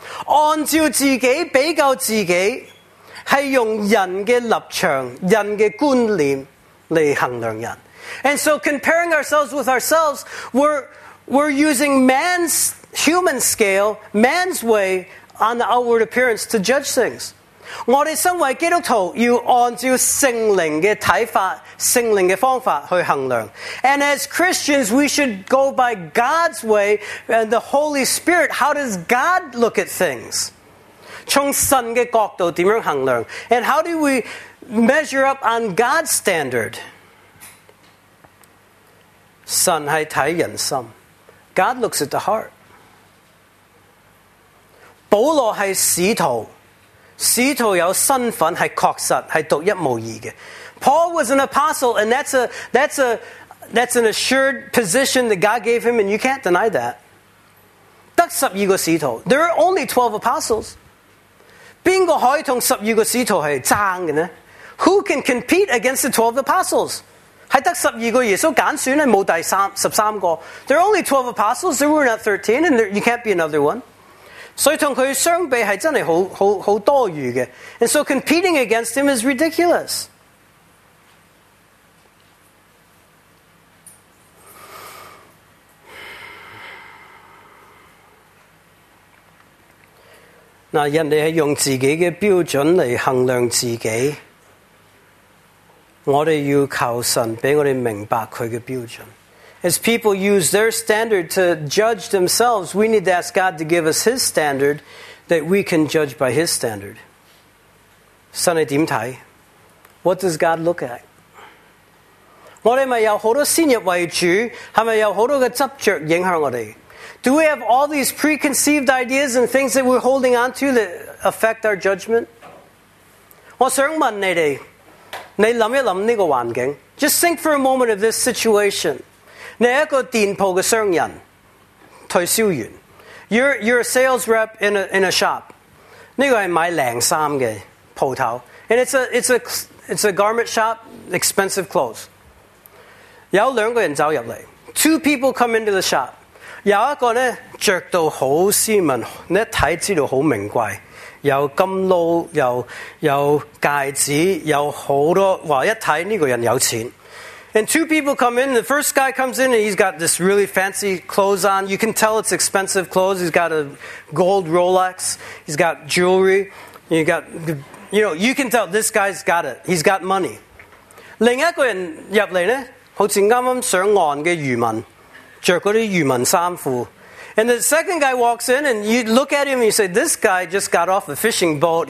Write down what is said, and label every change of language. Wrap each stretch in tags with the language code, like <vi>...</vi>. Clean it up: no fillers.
<zh>按照自己比较自己, 是用人的立场, 人的观念来衡量人。</zh> <en>And so comparing ourselves with ourselves, we're using man's human scale, man's way on the outward appearance to judge things.</en> <zh>我们身为基督徒要按照圣灵的看法、圣灵的方法去衡量。</zh> <en>And as Christians, we should go by God's way and the Holy Spirit. How does God look at things?</en> <zh>从神的角度怎样衡量?</zh> <en>And how do we measure up on God's standard?</en> <zh>神是看人心,</zh> <en>God looks at the heart.</en> <zh>保罗是使徒, 使徒有身份是确实是独一无二的。</zh> <en>Paul was an apostle, and that's an assured position that God gave him, and you can't deny that.</en> <zh>得十二个使徒,</zh> <en>there are only 12 apostles.</en> <zh>哪个可以和十二个使徒是争的呢?</zh> <en>Who can compete against the 12 apostles?</en> <zh>还得十二个耶稣拣选,没有第十三个。</zh> <en>There are only 12 apostles, there were not 13, and you can't be another one.</en> <zh>所以跟他相比是真的很多余的。</zh> <en>And so competing against him is ridiculous.</en> <zh>那人家是用自己的标准来衡量自己。我们要求神给我们明白他的标准。</zh> <en>As people use their standard to judge themselves, we need to ask God to give us His standard that we can judge by His standard.</en> <zh>神是怎样看?</zh> <en>What does God look at?</en> <zh>我们是否有很多先入为主,是否有很多的执着影响我们?</zh> <en>Do we have all these preconceived ideas and things that we're holding on to that affect our judgment?</en> <zh>我想问你们, 你想一想这个环境,</zh> <en>just think for a moment of this situation.</en> <zh>你是一个店铺的商人, 退休员,</zh> <en>you're a sales rep in a shop.</en> <zh>这个是买靓衫的店铺,</zh> <en>and it's a garment shop, expensive clothes.</en> <zh>有两个人走进来,</zh> <en>two people come into the shop.</en> <zh>有一个呢, 穿得很斯文, 你一看知道很名贵, 有金鑼, 有戒指, 有很多, 哇, 一看这个人有钱。</zh> <en>And two people come in, the first guy comes in and he's got this really fancy clothes on. You can tell it's expensive clothes. He's got a gold Rolex, he's got jewelry, you can tell this guy's got it. He's got money.</en> <zh>另一个人进来呢, 好像刚刚上岸的渔民, 穿那些渔民衣服。</zh> <en>And the second guy walks in and you look at him and you say, this guy just got off a fishing boat.</en>